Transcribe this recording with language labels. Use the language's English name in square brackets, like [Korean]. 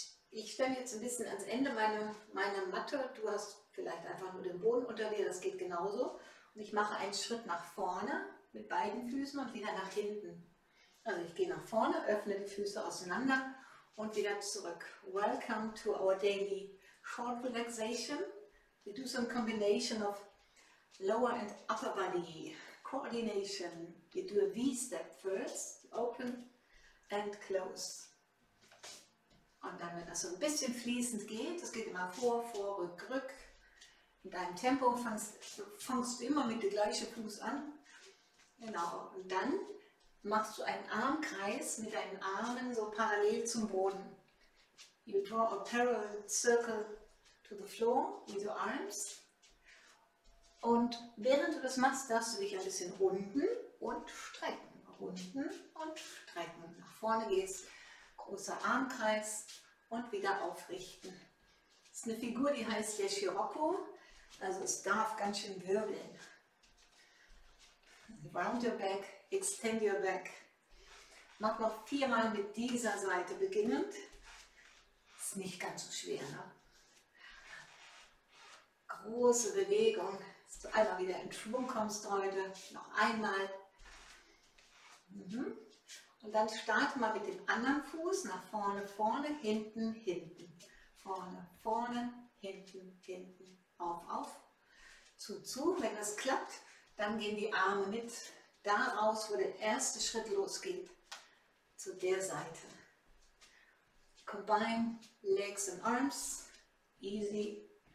[German] Ich stelle jetzt ein bisschen ans Ende meine Matte. Du hast vielleicht einfach nur den Boden unter dir, das geht genauso. Und ich mache einen Schritt nach vorne mit beiden Füßen und wieder nach hinten. Also ich gehe nach vorne, öffne die Füße auseinander und wieder zurück. [English] Welcome to our daily short relaxation. We do some combination of lower and upper body coordination. You do a V step first, open and close. [German] Und dann, wenn das so ein bisschen fließend geht, das geht immer vor, vor, rück, rück. In deinem Tempo fangst du immer mit dem gleichen Fuß an. Genau. Und dann machst du einen Armkreis mit deinen Armen so parallel zum Boden. [English] You draw a parallel circle to the floor with your arms. [German] Und während du das machst, darfst du dich ein bisschen runden und strecken. Runden und strecken. Nach vorne gehst, großer Armkreis und wieder aufrichten. Das ist eine Figur, die heißt der Scirocco. Also es darf ganz schön wirbeln. [English] Round your back, extend your back. [German] Mach noch viermal mit dieser Seite beginnend. Ist nicht ganz so schwer, ne? Große Bewegung. Dass du einmal wieder in Schwung kommst heute, noch einmal. Und dann starte mal mit dem anderen Fuß nach vorne, vorne, hinten, hinten. Vorne, vorne, hinten, hinten. Auf, zu. Wenn das klappt, dann gehen die Arme mit da raus, wo der erste Schritt losgeht, zu der Seite. [English] Combine legs and arms, easy.